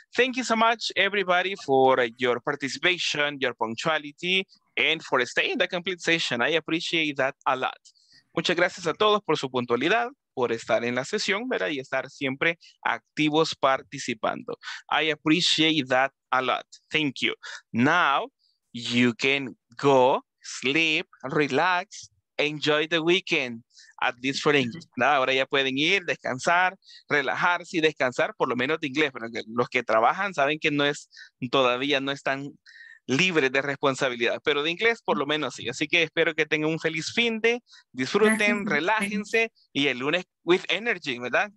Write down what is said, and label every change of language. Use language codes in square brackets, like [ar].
[en] Thank you so much, everybody, for your participation, your punctuality, and for staying in the complete session. I appreciate that a lot. [es] Muchas gracias a todos por su puntualidad, por estar en la sesión, ¿verdad? Y estar siempre activos participando. [en] I appreciate that a lot. Thank you. Now, you can go, sleep, relax, enjoy the weekend. At least for English. ¿No? [es] Ahora ya pueden ir, descansar, relajarse y descansar, por lo menos de inglés. Pero los que trabajan saben que no es, todavía no es tan libres de responsabilidad, pero de inglés por lo menos sí. Así que espero que tengan un feliz fin de, disfruten, relájense y el lunes [en] with energy, [es] ¿verdad?